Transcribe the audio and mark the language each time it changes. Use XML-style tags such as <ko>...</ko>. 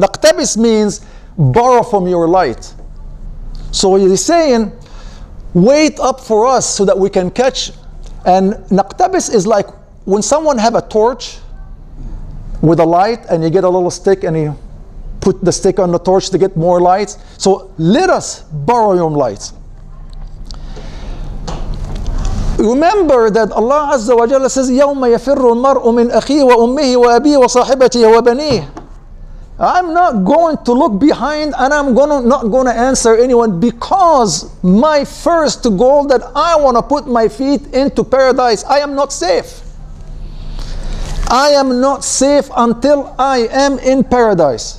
<en>نقتبس means borrow from your light. So he's saying, wait up for us so that we can catch. And naqtabis is like when someone have a torch with a light and you get a little stick and you put the stick on the torch to get more light. So let us borrow your light. Remember that Allah Azza wa Jalla says,</en> <ar>يَوْمَ يَفِرُّ الْمَرْءُ مِنْ أَخِيهِ وَأُمِّهِ وَأَبِيهِ وَصَاحِبَتِهِ وَبَنِيهِ.</ar> <en>I'm not going to look behind and I'm not going to answer anyone because my first goal that I want to put my feet into paradise, I am not safe. I am not safe until I am in paradise.</en>